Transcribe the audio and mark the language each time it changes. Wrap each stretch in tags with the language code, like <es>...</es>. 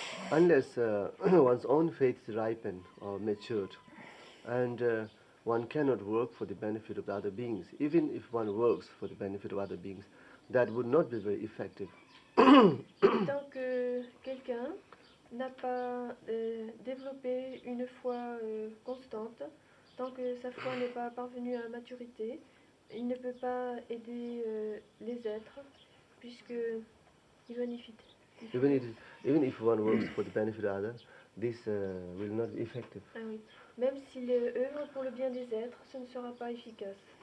<en>Unless one's own faith is ripened or matured, and one cannot work for the benefit of the other beings. Even if one works for the benefit of other beings, that would not be very effective.</en> <fr>Tant que quelqu'un n'a pas développé une foi constante, tant que sa foi n'est pas parvenue à maturité, il ne peut pas aider les êtres, puisque il bénéficie.</fr> <en>Even if one works for the benefit of others, this will not be effective.</en> <fr>Ah oui. Même s'il œuvre pour le bien des êtres, ce ne sera pas efficace.</fr>